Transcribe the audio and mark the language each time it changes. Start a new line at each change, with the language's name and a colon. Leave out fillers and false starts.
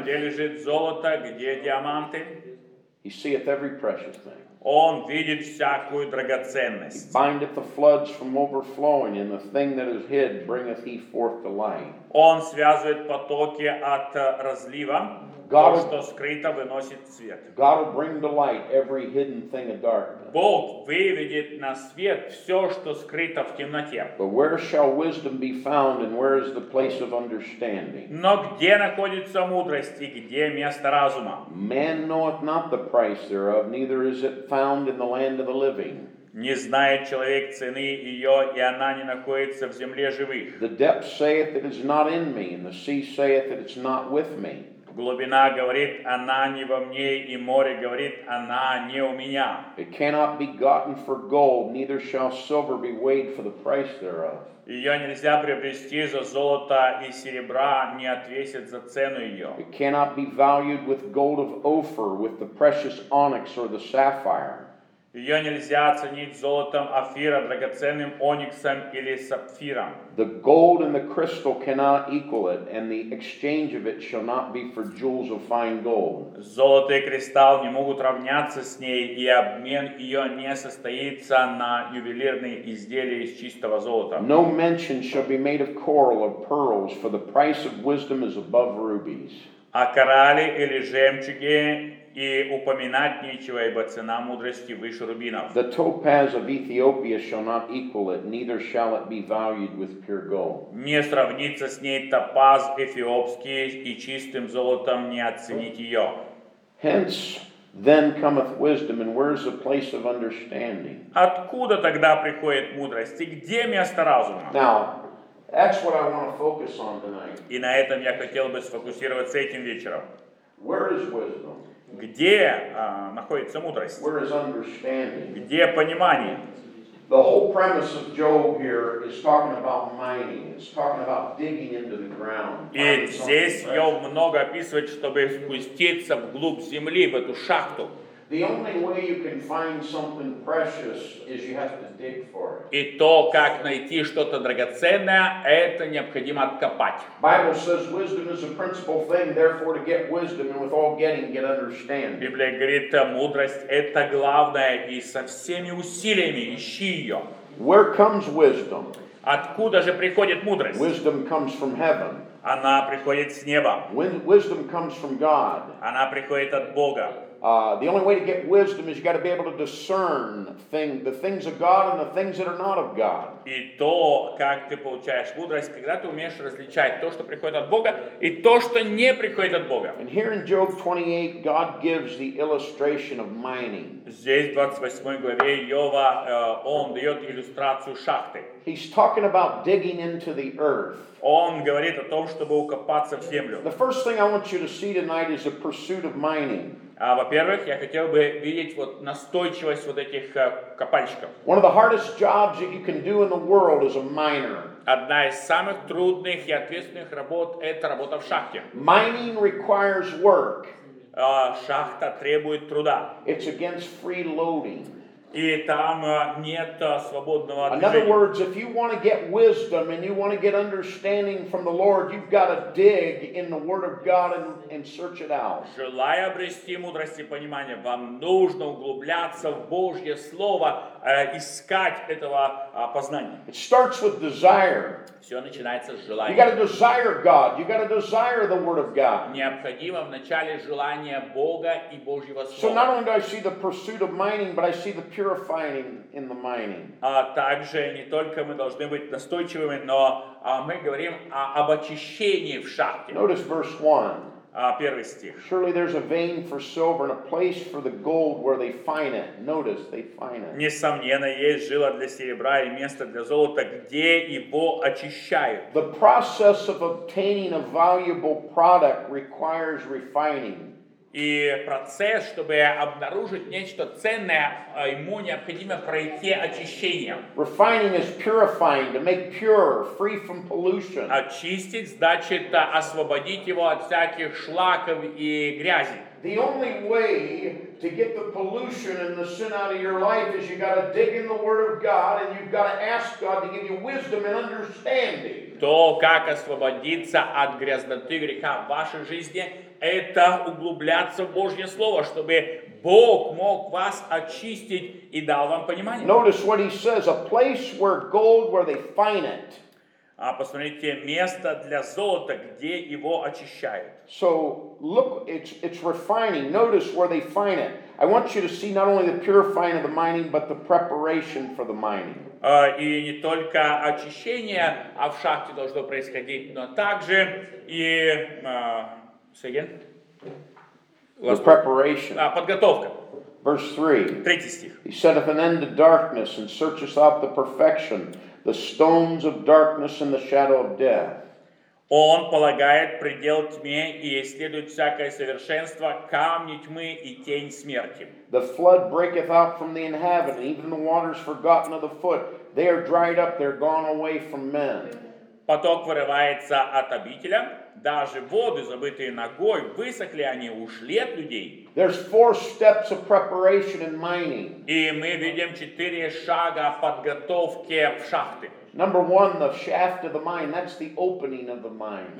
Russian: И он знает, где лежит золото, где диаманты.
English: He seeth every precious thing.
Russian: Он видит всякую драгоценность.
English: He bindeth the floods from overflowing, and the thing that is hid bringeth he forth to light.
Russian: Он связывает потоки от разлива, God, то, что скрыто, выносит свет.
English: God will bring to light every hidden thing of darkness.
Russian: Бог выведет на свет все, что скрыто в темноте.
English: But where shall wisdom be found, and where is the place of understanding?
Russian: Но где находится мудрость, и где место разума?
English: Man knoweth not the price thereof, neither is it found in the land of the living.
Russian: Не знает человек цены ее, и она не находится в земле живых.
English: The depth saith it is not in me, and the sea saith it is not with me.
Russian: Глубина говорит, она не во мне, и море говорит, она не у меня.
English: It cannot be gotten for gold, neither shall silver be weighed for the price thereof.
Russian: Ее нельзя приобрести за золото, и серебра не отвесит за цену ее.
English: It cannot be valued with gold of Ophir, with the precious onyx or the sapphire.
Russian: Ее нельзя оценить золотом Офира, драгоценным ониксом или сапфиром.
English: The gold and the crystal cannot equal it, and the exchange of it shall not be for jewels of fine gold.
Russian: Золото и кристалл не могут равняться с ней, и обмен ее не состоится на ювелирные изделия из чистого золота.
English: No mention shall be made of coral or pearls, for the price of wisdom is above rubies.
Russian: О коралле или жемчуге и упоминать нечего, ибо цена мудрости выше рубинов.
English: The topaz of Ethiopia shall not equal it, neither shall it be valued with pure gold.
Russian: Не сравнится с ней топаз эфиопский, и чистым золотом не оценить ее.
English: Hence then cometh wisdom, and where is the place of understanding?
Russian: Откуда тогда приходит мудрость, и где место разума?
English: Now, that's what I want to focus on tonight.
Russian: И на этом я хотел бы сфокусироваться этим вечером.
English: Where is wisdom?
Russian: Где находится мудрость?
English: Where is understanding?
Russian: Где понимание?
English: The whole premise of Job here is talking about mining. It's talking about digging into the ground.
Russian: И здесь Йов много описывает, чтобы спуститься вглубь земли, в эту шахту.
English: The only way you can find something precious is you have to dig for it.
Russian: И то, как найти что-то драгоценное, это необходимо откопать.
English: Bible says wisdom is a principal thing, therefore to get wisdom and with all getting get understanding.
Russian: Библия говорит, мудрость это главное, и со всеми усилиями ищи ее.
English: Where comes wisdom?
Russian: Откуда же приходит мудрость?
English: Wisdom comes from heaven.
Russian: Она приходит с неба.
English: Wisdom comes from God.
Russian: Она приходит от Бога.
English: The only way to get wisdom is you got to be able to discern the things of God and the things that are not of God.
Russian: И то, как ты получаешь мудрость, когда ты умеешь различать то, что приходит от Бога, и то, что не приходит от Бога.
English: And here in Job 28, God gives the illustration of mining.
Russian: Здесь, в 28 главе Йова, он дает иллюстрацию шахты.
English: He's talking about digging into the earth.
Russian: Он говорит о том, чтобы укопаться в землю.
English: The first thing I want you to see tonight is the pursuit of mining.
Russian: Во-первых, я хотел бы видеть вот настойчивость вот этих копальщиков.
English: One of the hardest jobs that you can do in the world is a miner.
Russian: Одна из самых трудных и ответственных работ – это работа в шахте.
English: Mining requires work.
Russian: Шахта требует труда.
English: It's against free loading.
Russian: И там нет свободного движения.
English: In other words, if you want to get wisdom and you want to get understanding from the Lord, you've got to dig in the Word of God and search it out.
Russian: Желая обрести мудрость и понимание, вам нужно углубляться в Божье Слово, искать этого познания.
English: It starts with desire.
Russian: Все начинается с желания.
English: You got to desire God. You got to desire the Word of God.
Russian: Необходимо вначале желание Бога и Божьего Слова.
English: So not only do I see the pursuit of mining, but I see the purifying in the mining.
Russian: Также не только мы должны быть настойчивыми, но мы говорим об очищении в шахте.
English: Notice verse 1.
Russian: Первый стих.
English: Surely there's a vein for silver and a place for the gold where they find it. Notice they find it.
Russian: Несомненно, есть жила для серебра и место для золота, где его очищают.
English: The process of obtaining a valuable product requires refining.
Russian: И процесс, чтобы обнаружить нечто ценное, ему необходимо пройти очищение.
English: Refining is purifying, to make pure, free from pollution.
Russian: Очистить значит освободить его от всяких шлаков и грязи.
English: The only way to get the pollution and the sin out of your life is you got to dig in the Word of God and you've got to ask God to give you wisdom and understanding.
Russian: То, как освободиться от грязноты греха в вашей жизни, это углубляться в Божье Слово, чтобы Бог мог вас очистить и дал вам понимание.
English: Notice what he says, a place where gold, where they find it.
Russian: А посмотрите, место для золота, где его очищают.
English: So, look, it's refining. Notice where they find it. I want you to see not only the purifying of the mining, but the preparation for the mining.
Russian: И не только очищение, а в шахте должно происходить, но также и...
English: The preparation.
Russian: Подготовка.
English: Verse 3.
Russian: Третий стих.
English: He setteth an end to darkness and searcheth out the perfection, the stones of darkness and the shadow of death.
Russian: Он полагает предел тьме и исследует всякое совершенство, камни тьмы и тень смерти.
English: The flood breaketh out from the inhabitant, even the waters forgotten of the foot. They are dried up, they're gone away from men.
Russian: Поток вырывается от обителя. Даже воды, забытые ногой, высохли они, ушли от людей.
English: There's four steps of preparation in mining.
Russian: И мы видим четыре шага подготовки в шахте.
English: Number one, the shaft of the mine, that's the opening of the mine.